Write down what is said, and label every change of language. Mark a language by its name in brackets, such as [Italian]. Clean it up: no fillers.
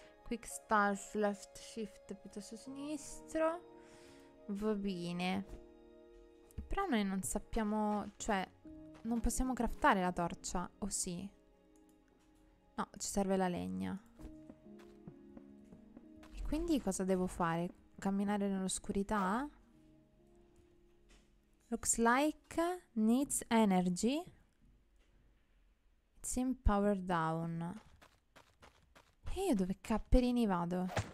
[English] Quick start, left shift [Italian] piuttosto sinistro. Va bene. Però noi non sappiamo, cioè, non possiamo craftare la torcia, o sì? No, ci serve la legna. E quindi cosa devo fare? Camminare nell'oscurità? [English] Looks like needs energy. It's in power down. [Italian] E io dove capperini vado?